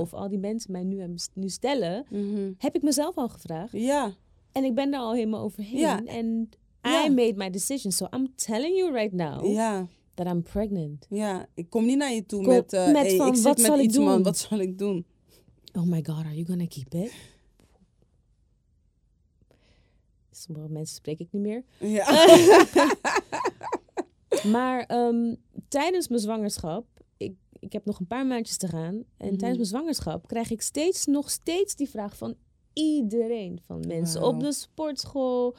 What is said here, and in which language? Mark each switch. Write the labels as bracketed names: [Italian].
[Dutch] Of al die mensen mij nu stellen... Mm-hmm. Heb ik mezelf al gevraagd. [English] Yeah. [Dutch] En ik ben daar al helemaal overheen. [English] Yeah. And I made my decision. So I'm telling you right now... Yeah. That I'm pregnant. [Dutch] Ja, ik kom niet naar je toe met wat zal ik doen? [English] Oh my god, are you gonna keep it? [Dutch] Sommige mensen spreek ik niet meer. Ja. Maar tijdens mijn zwangerschap... Ik heb nog een paar maandjes te gaan. En tijdens mijn zwangerschap krijg ik nog steeds die vraag van iedereen. Van mensen op de sportschool.